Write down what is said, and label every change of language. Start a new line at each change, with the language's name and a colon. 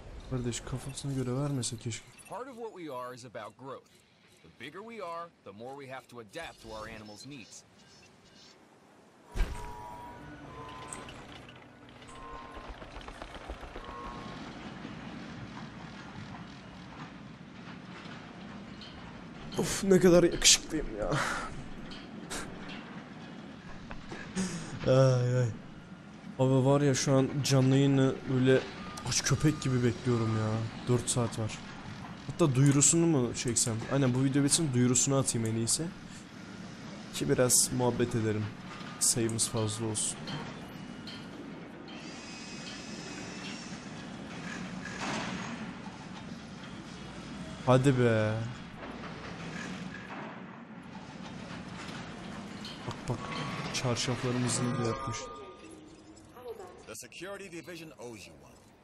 Turkish: Kardeş, kafasına göre vermese keşke.
English: Part of what we are is about growth. The bigger we are, the more we have to adapt to our animals' needs.
Turkish: Of, ne kadar yakışıklıyım ya. Ay. Abi var ya şu an canlı yayını böyle aç köpek gibi bekliyorum ya. 4 saat var. Hatta duyurusunu mu çeksem? Aynen bu video bitsin duyurusunu atayım en iyisi. Ki biraz muhabbet ederim. Sayımız fazla olsun. Hadi be. Bak çarşaflarımızı da yapmış.
English: The security division owes you one.